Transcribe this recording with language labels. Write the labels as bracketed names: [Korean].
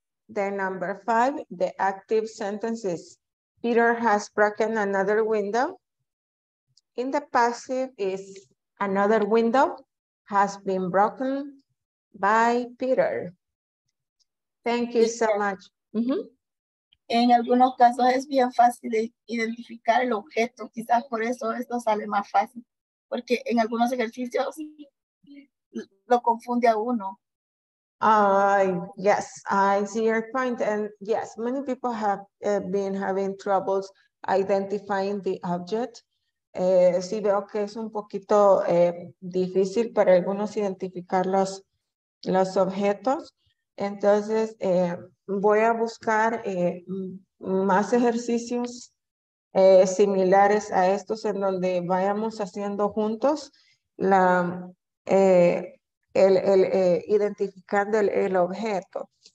[English] Then number five, the active sentences. Peter has broken another window. In the passive is another window has been broken by Peter. Thank you so much. Mm-hmm. [Spanish] En algunos casos es bien fácil identificar el objeto. Quizás por eso esto sale más fácil. Porque en algunos ejercicios lo confunde a uno. [English] Yes, I see your point. And yes, many people have been having troubles identifying the object. [Spanish] Sí veo que es un poquito difícil para algunos identificar los objetos. Entonces, voy a buscar más ejercicios similares a estos en donde vayamos haciendo juntos la identificando el objeto.